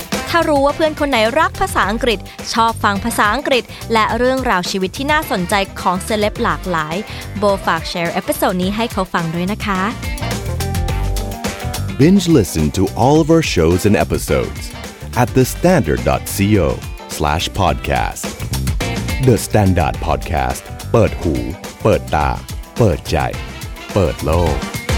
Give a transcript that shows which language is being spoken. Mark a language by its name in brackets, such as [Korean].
[Thai] ถ้ารู้ว่าเพื่อนคนไหนรักภาษาอังกฤษชอบฟังภาษาอังกฤษและเรื่องราวชีวิตที่น่าสนใจของเซเลบหลากหลายโบฝากแชร์เอพิโซดนี้ให้เขาฟังด้วยนะคะ [English] Binge listen to all of our shows and episodes. at thestandard.co/podcast. [Thai] The Standard Podcast. เปิดหูเปิดตาเปิดใจเปิดโลก